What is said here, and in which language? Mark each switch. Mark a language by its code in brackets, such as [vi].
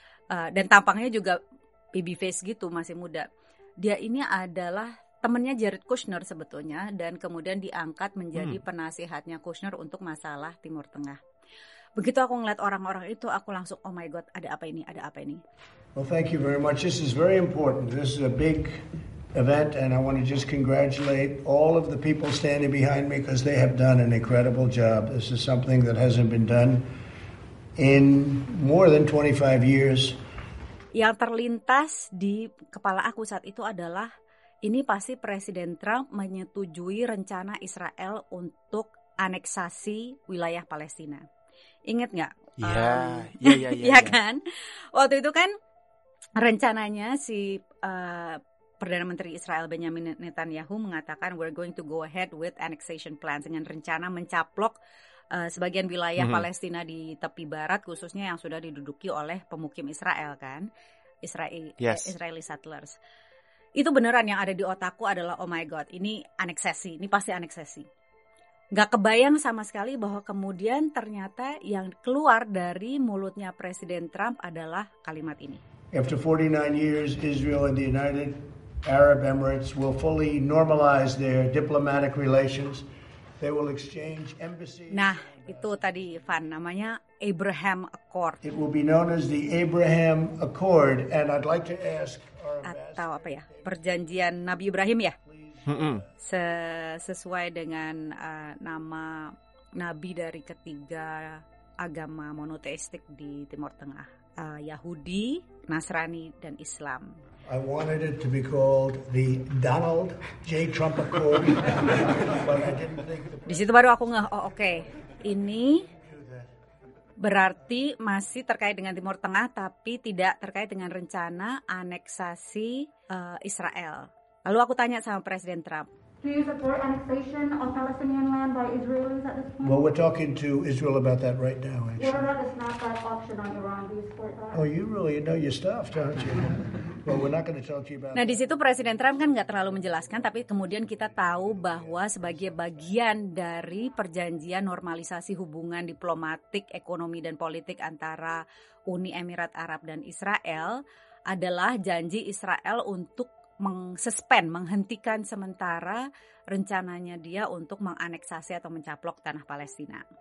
[id] dan tampangnya juga baby face gitu, masih muda. Dia ini adalah temannya Jared Kushner sebetulnya, dan kemudian diangkat menjadi penasihatnya Kushner untuk masalah Timur Tengah. Begitu aku ngeliat orang-orang itu, aku langsung, oh my God, ada apa ini, ada apa ini. [en] Well, thank you very much. This is very important. This is a big event, and I want to just congratulate all of the people standing behind me, because they have done an incredible job. This is something that hasn't been done in more than 25 years. [id] Yang terlintas di kepala aku saat itu adalah ini pasti Presiden Trump menyetujui rencana Israel untuk aneksasi wilayah Palestina. Ingat nggak? Iya, kan? Waktu itu kan rencananya si Perdana Menteri Israel Benjamin Netanyahu mengatakan [en] we're going to go ahead with annexation plan, [id] dengan rencana mencaplok sebagian wilayah Palestina di tepi barat, khususnya yang sudah diduduki oleh pemukim Israel kan, [en] Israeli settlers. [id] Itu beneran yang ada di otakku adalah [en] oh my god, [id] ini aneksasi, ini pasti aneksasi. Gak kebayang sama sekali bahwa kemudian ternyata yang keluar dari mulutnya Presiden Trump adalah kalimat ini. [en] After 49 years, Israel and the United Arab Emirates will fully normalize their diplomatic relations. They will exchange embassies. [id] Nah, itu tadi Ivan, namanya Abraham Accord. [en] It will be known as the Abraham Accord, and I'd like to ask [id] atau apa ya, perjanjian Nabi Ibrahim ya, sesuai dengan nama nabi dari ketiga agama monoteistik di Timur Tengah, Yahudi, Nasrani, dan Islam. [en] I wanted it to be called the Donald J. Trump Accord, but I didn't think the... [id] Di situ baru aku ngeh, oh okay, ini berarti masih terkait dengan Timur Tengah, tapi tidak terkait dengan rencana aneksasi Israel. Lalu aku tanya sama Presiden Trump. [en] Do you support annexation of Palestinian land by Israelis at this point? Well, we're talking to Israel about that right now, actually. What about the snapback option on Iran? Do you support that? Oh, you really know your stuff, don't you? Well, we're not going to talk to you about [id] Nah, di situ Presiden Trump kan nggak terlalu menjelaskan, tapi kemudian kita tahu bahwa sebagai bagian dari perjanjian normalisasi hubungan diplomatik, ekonomi, dan politik antara Uni Emirat Arab dan Israel adalah janji Israel untuk menghentikan sementara rencananya dia untuk menganeksasi atau mencaplok tanah Palestina.